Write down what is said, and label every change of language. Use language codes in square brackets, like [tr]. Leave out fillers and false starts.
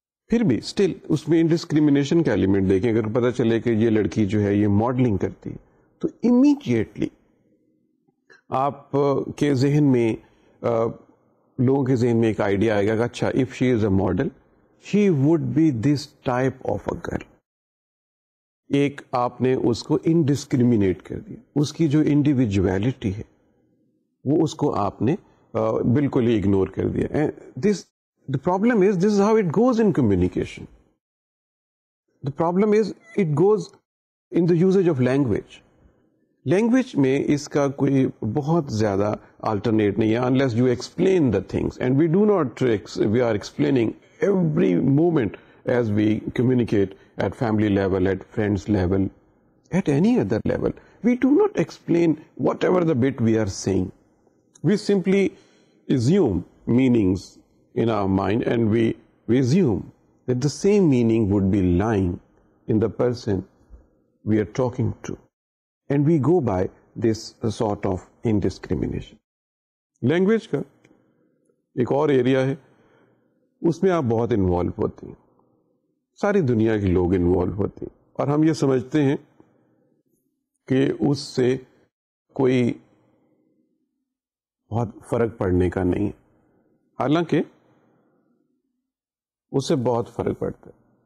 [ur] پھر بھی اسٹل اس میں انڈسکریمنیشن کا ایلیمنٹ دیکھیں, اگر پتہ چلے کہ یہ لڑکی جو ہے یہ ماڈلنگ کرتی ہے تو امیجیٹلی آپ کے ذہن میں لوگوں کے ذہن میں ایک آئیڈیا آئے گا کہ اچھا [en] If she is a model she would be this type of a girl. [ur] ایک آپ نے اس کو انڈسکریمنیٹ کر دیا, اس کی جو انڈیویجویلٹی ہے وہ اس کو آپ نے بالکل ہی اگنور کر دیا. [en] This the problem is this is how it goes in communication. The problem is it goes in the usage of language. [ur] Language میں اس کا کوئی بہت زیادہ آلٹرنیٹ نہیں ہے [en] Unless you explain the things, and we do not we are explaining every moment as we communicate at family level, at friends level, at any other level. We do not explain whatever the bit we are saying. We simply assume meanings in our mind and we assume that the same meaning would be lying in the person we are talking to. And we go by this sort of indiscrimination. [ur] Language کا ایک اور area ہے, اس میں آپ بہت involve ہوتے ہیں, ساری دنیا کے لوگ انوالو ہوتے ہیں, اور ہم یہ سمجھتے ہیں کہ اس سے کوئی بہت فرق پڑنے کا نہیں ہے, حالانکہ اس سے بہت فرق پڑتا ہے.